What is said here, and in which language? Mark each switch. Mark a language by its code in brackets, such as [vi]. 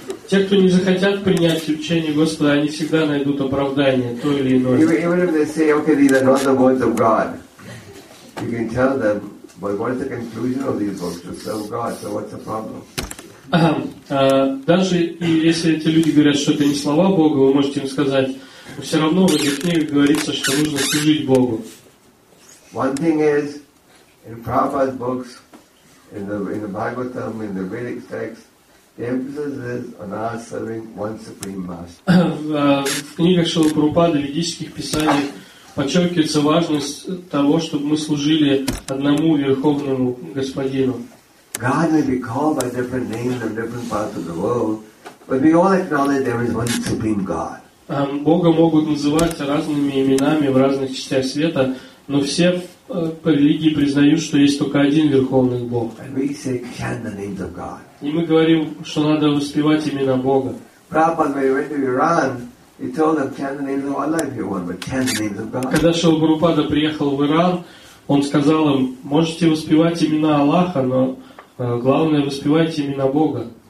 [ru] Те, кто не захотят принять учение Господа, они всегда найдут оправдание, то или иное. [en] Even if they say, okay, these are not the words of God, you can tell them, but what is the conclusion of these books? To serve God, so what's the problem? [ru] Даже если эти люди говорят, что это не слова Бога, вы можете им сказать, но все равно в этих книгах говорится, что нужно служить Богу. [en] One thing is, in Prabhupada's books, in the Bhagavatam, in the Vedic texts, the emphasis is on our serving one supreme master. [ru] В книгах Шрилы Прабхупады, ведических писаниях, подчеркивается важность того, чтобы мы служили одному Верховному Господину. [en] God may be called by different names in different parts of the world, but we all acknowledge there is one supreme God. [ru] Бога могут называть разными именами в разных частях света, но все по религии признают, что есть только один Верховный Бог. [en] And we say, chant the names of God. [ru] И мы говорим, что надо воспевать имена Бога. Когда Шрила Прабхупада приехал в Иран, он сказал им, можете воспевать имена Аллаха, но главное, воспевайте имена Бога.